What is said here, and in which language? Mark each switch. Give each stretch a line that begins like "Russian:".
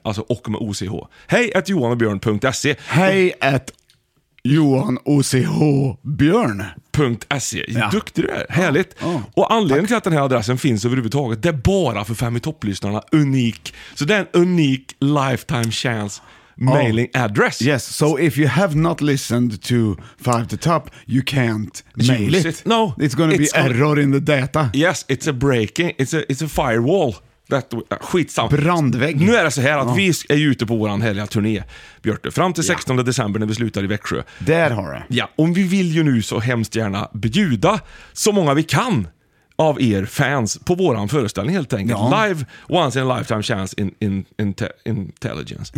Swedish: Alltså och med OCH. hej@johanochbjorn.se. Hej at Johan OCH Björn. .se. Ja. Duktig du är. Härligt. Ja. Ja. Och anledningen till att den här adressen finns överhuvudtaget, det är bara för fem i topplyssnarna. Unik. Så det är en unik
English: lifetime chance. Mailing address. Yes, so if you have not listened to Five to Top, you can't mail it. No, it's gonna be error in the data. Yes, it's a breaking, it's a firewall.
Swedish: Skitsamt. Brandvägg. Nu är det så här att vi är ute på våran heliga turné, Björte, fram till 16 december när vi slutar i Växjö. Där har det. Ja, och vi vill ju nu så hemskt gärna bjuda så många vi kan av er fans på våran föreställning helt enkelt. Ja.
English: Live, once in a lifetime chance intelligence.